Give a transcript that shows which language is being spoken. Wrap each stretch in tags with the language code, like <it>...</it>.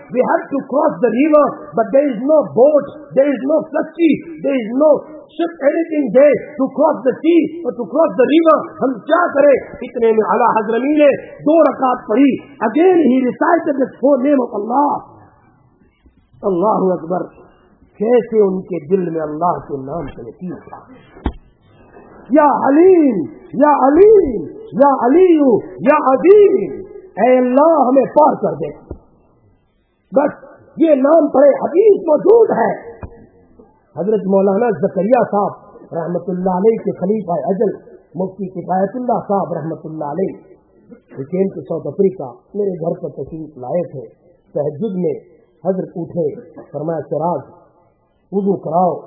<en>We had to cross the river but there is no boat, there is no flutty, there is no ship, anything there to cross the sea or to cross the river.</en> <ur>ہم کیا کرے؟ اتنے میں اعلی حضرمی نے دو رکعت پڑھی.</ur> <en>Again he recited the four name of Allah.</en> <ur>اللہ اکبر، کیسے ان کے دل میں اللہ کے نام چلے تھی. یا علیم یا علیم یا علیو یا عظیم، اے اللہ ہمیں پار کر دے. بس یہ نام پڑے، حدیث موجود ہے. حضرت مولانا زکریہ صاحب رحمت اللہ علیہ کے خلیفہ اجل مفتی کفایت اللہ صاحب رحمت اللہ علیہ</ur> <en>came to South Africa,</en> <ur>میرے گھر پر تشریف لائے تھے. تہجد میں حضرت اٹھے، فرمایا سراج وضو کراؤ.</ur>